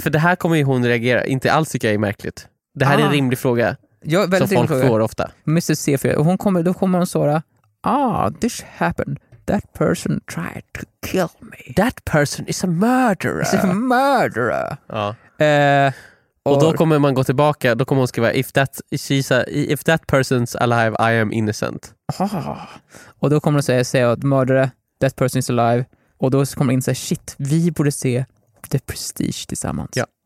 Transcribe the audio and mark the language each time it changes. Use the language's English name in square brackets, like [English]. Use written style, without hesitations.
[Swedish] För det här kommer ju hon reagera. Inte alls tycker jag är märkligt. Det här är en rimlig fråga får ofta. Mrs. Sefer, då kommer hon svara: [English] "Ah, this happened. That person tried to kill me. That person is a murderer." It's a murderer. [Swedish] Ja. Och då kommer man gå tillbaka. Då kommer hon skriva: [English] if that person's alive, I am innocent." Ah. [Swedish] Och då kommer hon säga att mördare, [English] that person is alive. [Swedish] Och då kommer hon in och säga: shit, vi borde se The Prestige tillsammans. Ja.